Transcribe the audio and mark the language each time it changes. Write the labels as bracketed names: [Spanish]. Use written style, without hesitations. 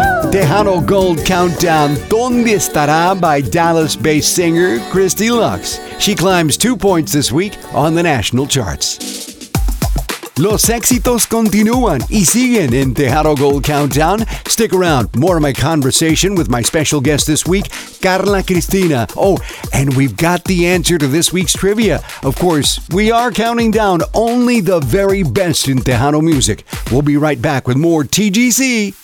[Spanish] Tejano Gold Countdown, ¿Dónde Estará? [English] By Dallas-based singer Christy Lux. She climbs 2 points this week on the national charts. [Spanish] Los éxitos continúan y siguen en Tejado Gold Countdown. [English] Stick around. More of my conversation with my special guest this week, Carla Cristina. Oh, and we've got the answer to this week's trivia. Of course, we are counting down only the very best in Tejado music. We'll be right back with more TGC.